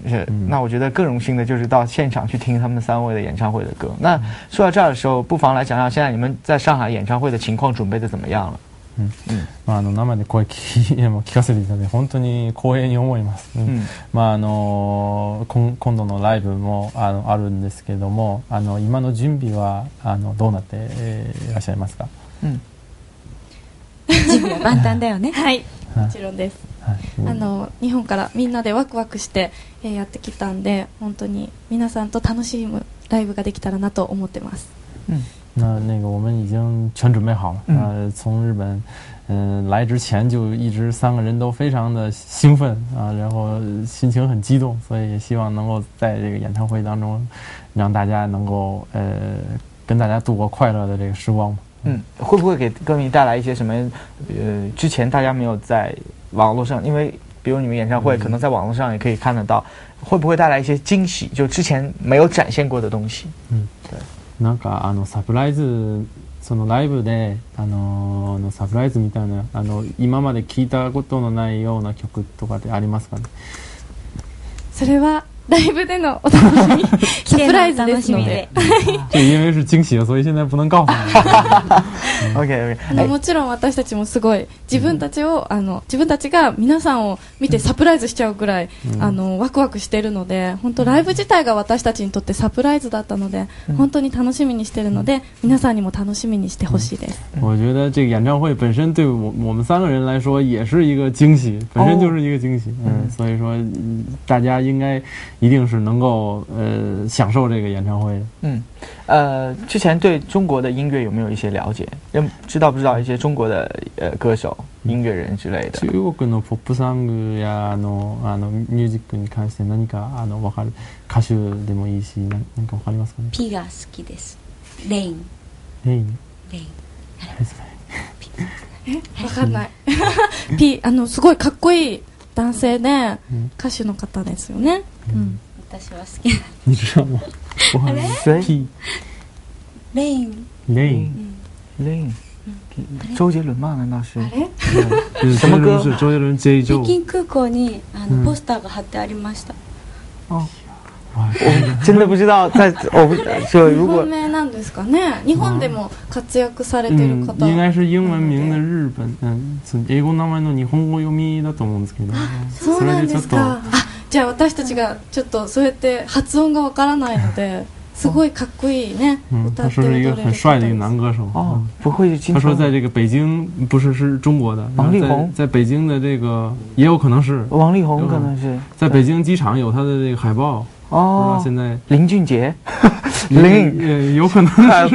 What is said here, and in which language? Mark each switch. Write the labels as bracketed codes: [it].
[zh] 是，那我觉得更荣幸的就是到现场去听他们三位的演唱会的歌。那说到这儿的时候，不妨来讲讲现在你们在上海演唱会的情况准备的怎么样了。 [ja] うん、まあ、あの生で声聞かせていただいて本当に光栄に思います、うん、まあ、あの今度のライブも あるんですけども、あの今の準備はどうなって、いらっしゃいますか、うん、準備は万端だよねはい、もちろんです、はい、あの日本からみんなでワクワクして、やってきたんで、本当に皆さんと楽しむライブができたらなと思ってます、うん、 [zh] 那个我们已经全准备好了、嗯、从日本来之前就一直三个人都非常的兴奋啊、然后心情很激动，所以也希望能够在这个演唱会当中让大家能够跟大家度过快乐的这个时光。嗯， 嗯，会不会给歌迷带来一些什么之前大家没有在网络上，因为比如你们演唱会可能在网络上也可以看得到、嗯、会不会带来一些惊喜，就之前没有展现过的东西。嗯，对， [ja] なんかあのサプライズ、そのライブで、のサプライズみたいな、あの今まで聞いたことのないような曲とかでありますかね。それはライブでのお楽しみサプライズですので、 [zh] 这因为是惊喜，所以现在不能告诉你。OK OK。 [ja] もちろん私たちもすごい自分たちを、あの自分たちが皆さんを見てサプライズしちゃうくらい、あのワクワクしてるので、本当ライブ自体が私たちにとってサプライズだったので、本当に楽しみにしてるので、皆さんにも楽しみにしてほしいです。 [zh] 我觉得这个演唱会本身对 我们三个人来说也是一个惊喜，本身就是一个惊喜、 oh. 所以说大家应该一定是能够享受这个演唱会的。嗯，之前对中国的音乐有没有一些了解？知道不知道一些中国的歌手、音乐人之类的？ [ja] 中国のポップソングやあのミュージックに関して何かあの分かる歌手でもいいし、何か分かりますかね？ピが好きです。レイン。レイン。レイン。分かんない。ピあのすごいかっこいい男性で、ね、歌手の方ですよね。嗯，私は好き [zh] だ。你知道吗？谁？ Lane。 Lane。 周杰伦嘛，难道是？什么歌？是周杰伦《J Joe》。 [ja] 北京空港にあのポスターが貼ってありました。 [zh] 哦，我真的不知道，在我就如果。 [ja] 日本名なんですかね？日本でも活躍されてる方。 [zh] 应该是英文名的日本， [ja] 嗯，英語名前の日本語読みだと思うんですけど。そうなんですか。じゃあ私たちがちょっとそうやって発音がわからないので、すごいかっこいいね、 [zh] 他说是一个很帅的一个男歌手。哦，不会是他说在这个北京，不是，是中国的王力宏，在北京的这个也有可能是王力宏，可能是在北京机场有他的这个海报。哦，现在林俊杰，有可能是，